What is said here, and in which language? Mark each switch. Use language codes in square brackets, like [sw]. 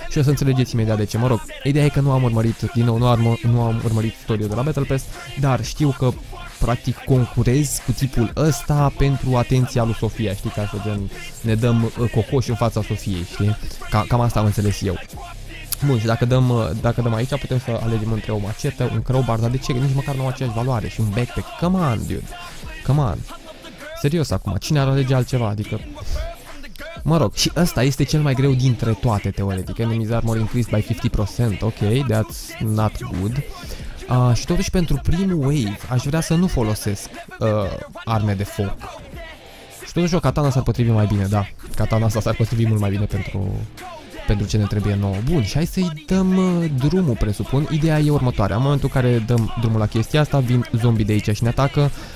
[ro] Și o să înțelegeți imediat de ce, mă rog. Ideea e că nu am urmărit, din nou, nu am urmărit tutorial de la Battle Pass, dar știu că practic concurez cu tipul ăsta pentru atenția lui Sofia, știi, ca să gen ne dăm cocoș în fața Sofiei, știi? Cam asta am înțeles eu. Bun, și dacă dăm aici, putem să alegem între o machetă, un crowbar, dar de ce? Nici măcar nu au aceeași valoare. Și un backpack, [en] come on, dude, come on. [ro] Serios acum, cine ar alege altceva? Adică, mă rog, și ăsta este cel mai greu dintre toate, teoretic. [en] Enemies armor increased by 50%, ok, that's not good. [ro] Și totuși pentru primul wave aș vrea să nu folosesc arme de foc. Și totuși o katana s-ar potrivi mai bine, da. Katana asta s-ar potrivi mult mai bine pentru ce ne trebuie nouă. Bun, și hai să-i dăm drumul, presupun. Ideea e următoarea, în momentul în care dăm drumul la chestia asta, vin zombii de aici și ne atacă.